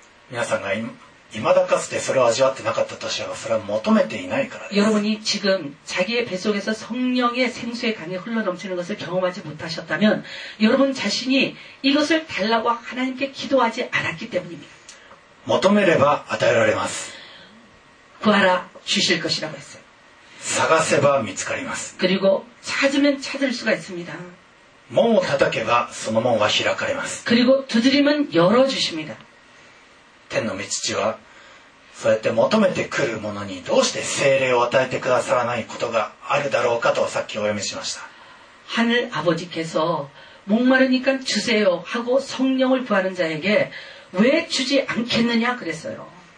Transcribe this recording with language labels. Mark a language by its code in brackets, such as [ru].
[ja] 皆さんが이마다かつてそれを味わってなかったとしたらそれは求めていないからです [ko] 여러분이지금자기의배속에서성령의생수의강이흘러넘치는것을경험하지못하셨다면여러분자신이이것을달라고하나님께기도하지않았기때문입니다 [ja] 求めれば与えられます [ko] 구하라주실것이라고했어요 [ja] 探せば見つかります [ko] 그리고찾으면찾을수가있습니다 [ja] 門を叩けばその門は開かれます [ko] 그리고두드리면열어주십니다 [ja] 天の道はそうやって求めてくるものにどうして聖霊を与えてくださらないことがあるだろうかとさっきお読みしました [ko] 하늘아버지께서목마르니까주세요하고성령을구하는자에게왜주지않겠느냐그랬어요